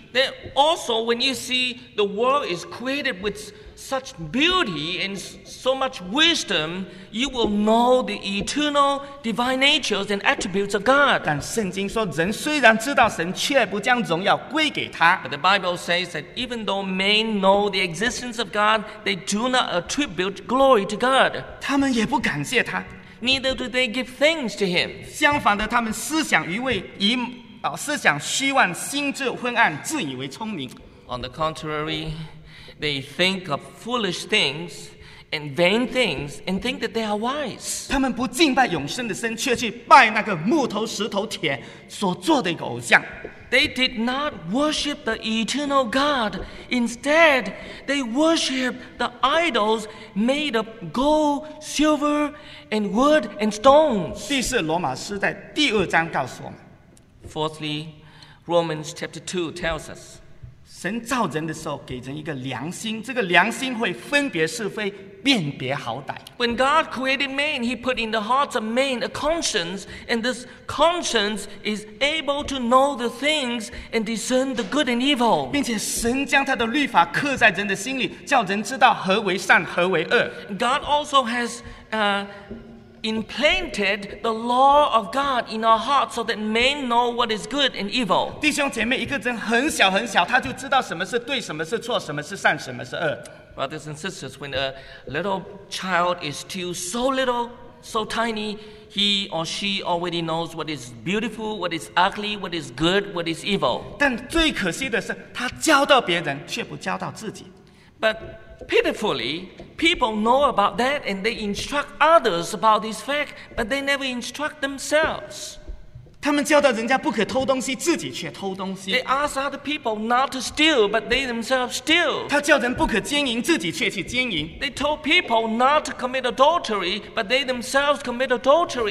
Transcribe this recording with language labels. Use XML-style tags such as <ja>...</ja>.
<en>Then also, when you see the world is created with such beauty and so much wisdom, you will know the eternal divine natures and attributes of God.</en> <zh>但圣经说，人虽然知道神，却不将荣耀归给他。</zh> <en>But the Bible says that even though men know the existence of God, they do not attribute glory to God.</en> <zh>他们也不感谢他。</zh> <en>Neither do they give thanks to Him.</en> <zh>相反的，他们思想愚昧，思想虚妄，心智昏暗，自以为聪明。</zh> <en>On the contrary, they think of foolish things and vain things and think that they are wise.</en> <zh>他们不敬拜永生的神，却去拜那个木头、石头、铁所做的一个偶像。</zh> <en>They did not worship the eternal God. Instead, they worshiped the idols made of gold, silver, and wood and stones.</en> <zh>第四罗马书在第二章告诉我们。</zh> <en>Fourthly, Romans chapter 2 tells us,</en> <zh>神造人的时候给人一个良心，这个良心会分别是非，辨别好歹。</zh> <en>When God created man, he put in the hearts of man a conscience, and this conscience is able to know the things and discern the good and evil.</en> <zh>并且神将他的律法刻在人的心里，叫人知道何为善，何为恶。</zh> <en>God also has implanted the law of God in our hearts so that men know what is good and evil.</en> <zh>弟兄姐妹，一个人很小很小，他就知道什么是对，什么是错，什么是善，什么是恶。</zh> <en>Brothers and sisters, when a little child is still so little, so tiny, he or she already knows what is beautiful, what is ugly, what is good, what is evil.</en> <zh>但最可惜的是，他教导别人，却不教导自己。</zh> <en>But pitifully, people know about that and they instruct others about this fact, but they never instruct themselves.</en> <zh>他们教导人家不可偷东西，自己却偷东西。</zh> <en>They ask other people not to steal, but they themselves steal.</en> <zh>他教人不可奸淫，自己却去奸淫。</zh> <en>They told people not to commit adultery, but they themselves commit adultery.</en>